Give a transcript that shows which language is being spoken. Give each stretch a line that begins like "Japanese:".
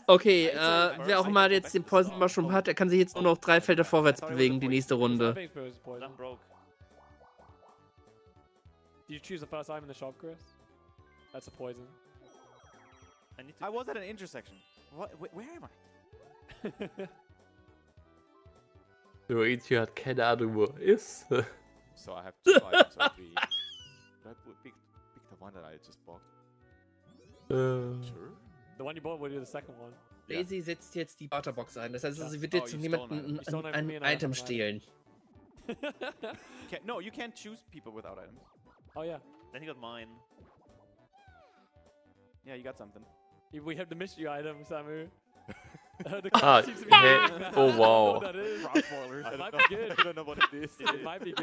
German: Okay, wer auch mal jetzt den Poison Mushroom hat, der kann sich jetzt nur noch 3 Felder vorwärts bewegen, die nächste Runde.
English: Did you choose the first item in the shop, Chris? That's a poison. I was at an intersection. Where am I?
German: Luigi hat keine Ahnung, wo er ist.
English: So I have two items, so pick the one that I just bought. Sure. The one you bought, will you the second one?
German: Daisy setzt jetzt die Butterbox ein. Das heißt, sie wird jetzt niemanden ein Item stehlen.
English: No, you can't choose people without items. Oh yeah. Then you got mine. Yeah, you got something. We have the mystery item, Samu. Hey. Oh wow.